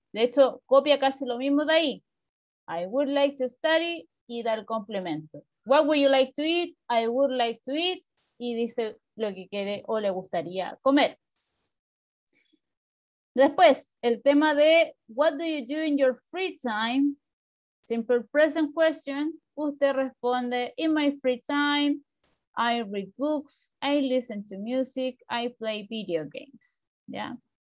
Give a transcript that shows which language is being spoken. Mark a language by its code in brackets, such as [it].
[es] De hecho, copia casi lo mismo de ahí. [en] I would like to study [es] y da el complemento. [en] What would you like to eat? I would like to eat. [es] Y dice lo que quiere o le gustaría comer. Después, el tema de [en] what do you do in your free time? Simple present question. [es] Usted responde, [en] in my free time, I read books, I listen to music, I play video games. Yeah.